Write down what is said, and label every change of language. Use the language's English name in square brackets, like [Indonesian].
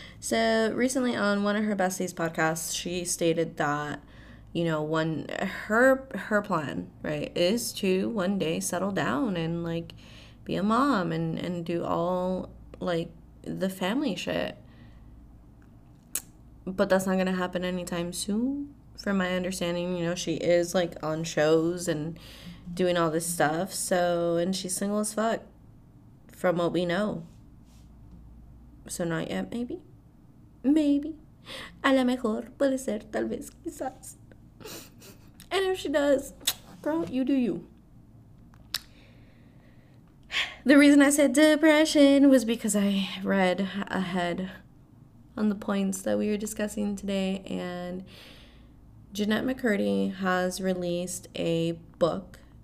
[English] So recently on one of her besties' podcasts, she stated that, one her plan, right, is to one day settle down and like be a mom and do all like the family shit. But that's not gonna happen anytime soon. From my understanding, she is like on shows and doing all this stuff. So, and she's single as fuck, from what we know. So not yet, maybe. Maybe. [Spanish] A lo mejor, puede ser, tal vez, quizás. [English] And if she does, girl, you do you. The reason I said depression was because I read ahead on the points that we were discussing today, and Jeanette McCurdy has released a book.